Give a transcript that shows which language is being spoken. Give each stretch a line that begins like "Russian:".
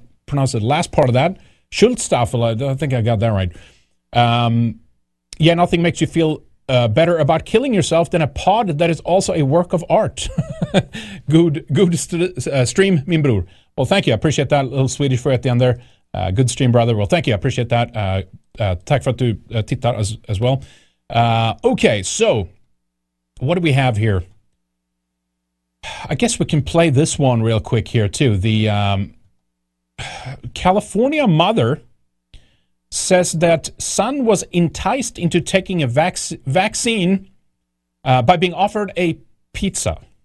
English: Pronounce the last part of that. Schultzstaffel, I think I got that right. Yeah, nothing makes you feel better about killing yourself than a pod that is also a work of art. good stream,
Swedish: min bror.
English: Well, thank you. I appreciate that. A little Swedish for you at the end there. Good stream, brother. Well, thank you. I appreciate that.
Swedish: Tack för att du tittar
English: as well. Okay, so what do we have here? I guess we can play this one real quick here, too. The California mother says that son was enticed into taking a vaccine by being offered a pizza.